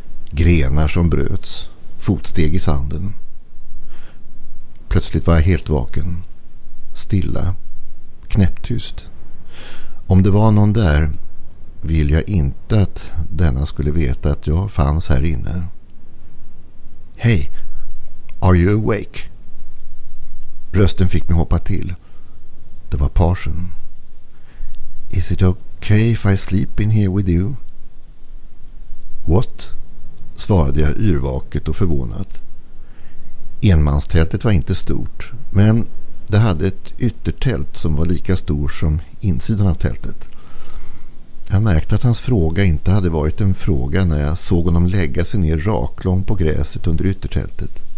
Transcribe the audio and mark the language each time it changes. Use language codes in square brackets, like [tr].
[sv] Grenar som bröts, fotsteg i sanden. Plötsligt var jag helt vaken, stilla, knäpptyst. Om det var någon där vill jag inte att denna skulle veta att jag fanns här inne. [en] "Hey, are you awake?" [sv] Rösten fick mig hoppa till. Det var Parsen. [en] "Is it okay if I sleep in here with you?" "What?" [sv] svarade jag yrvaket och förvånat. Enmanstältet var inte stort, men det hade ett yttertält som var lika stort som insidan av tältet. Jag märkte att hans fråga inte hade varit en fråga när jag såg honom lägga sig ner raklång på gräset under yttertältet.